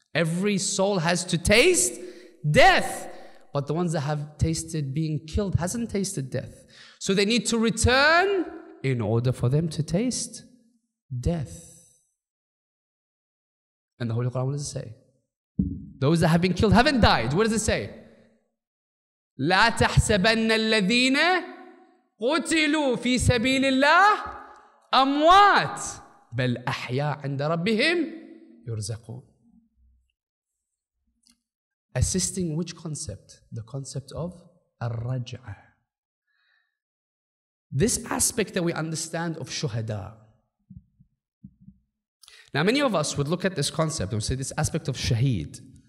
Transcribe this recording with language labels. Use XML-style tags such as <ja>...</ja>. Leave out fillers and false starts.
<en>Every soul has to taste death. But the ones that have tasted being killed hasn't tasted death. So they need to return in order for them to taste death. And the Holy Quran, what does it say? Those that have been killed haven't died. What does it say?</en> <ar>"لا تحسبن الذين قتلوا في سبيل الله أموات بل أحياء عند ربهم يرزقون."</ar> <en>Assisting which concept? The concept of الرجعه. This aspect that we understand of shuhada. Now many of us would look at this concept and say this aspect of shaheed.</en>